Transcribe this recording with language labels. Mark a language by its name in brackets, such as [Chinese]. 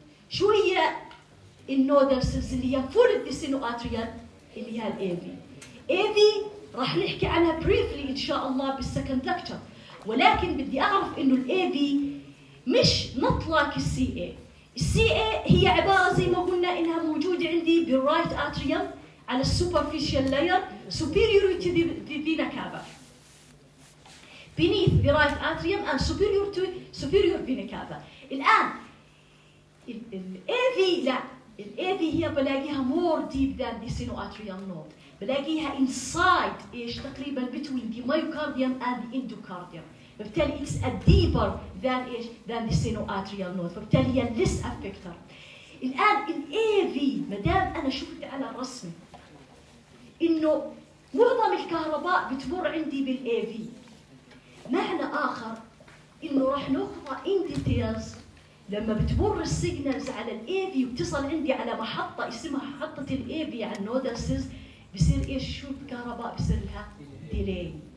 [Arabic] شو هي النودال سيلز اللي هي [English] full of the sinoatrium [Arabic] اللي هي الAV. AV راح نحكي عنها briefly إن شاء الله بال [English] second lecture. [Arabic] ولكن بدي أعرف إنه الAV مش مطلق CA. CA هي عبارة زي ما قلنا إنها موجودة عندي [English] بالright atrium على superficial layer superior to the vena cava, beneath the right atrium and superior to superior vena cava. [Arabic] الآن الAV لا، الAV هي بلاقيها [English] more deep than the sinoatrial node. بلاقيها inside إيش تقريبا between the myocardium and the endocardium. [Arabic] فبالتالي [English] it's a deeper than إيش than the sinoatrial node. [Arabic] فبالتالي هي less affected. الآن الAV مدام أنا شفت على الرسم إنه معظم الكهرباء بتمر عندي بالAV، معنى آخر إنه راح نقطع [English] in details [Arabic] لما بتمر السيجنالز على الAV وتصل عندي على محطة اسمها محطة الAV على نودال سيلز، بصير إيش؟ شو الكهرباء بصير لها؟ delay.